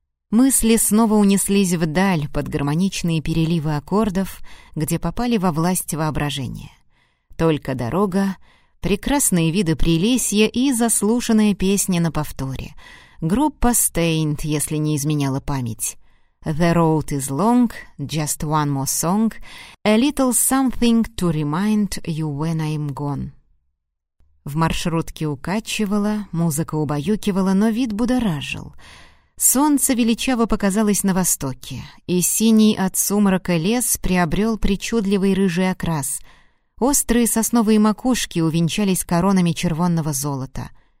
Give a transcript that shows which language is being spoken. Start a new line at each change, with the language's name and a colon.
Russian: Мысли снова унеслись вдаль под гармоничные переливы аккордов, где попали во власть воображения. Только дорога, прекрасные виды Прилесья и заслушанная песня на повторе. Группа Stained, если не изменяла память.
English: The road is long, just one more song, a little something to remind you when I'm gone.
Russian: В маршрутке укачивало, музыка убаюкивала, но вид будоражил. Солнце величаво показалось на востоке, и синий от сумрака лес приобрел причудливый рыжий окрас — острые сосновые макушки увенчались коронами червонного золота.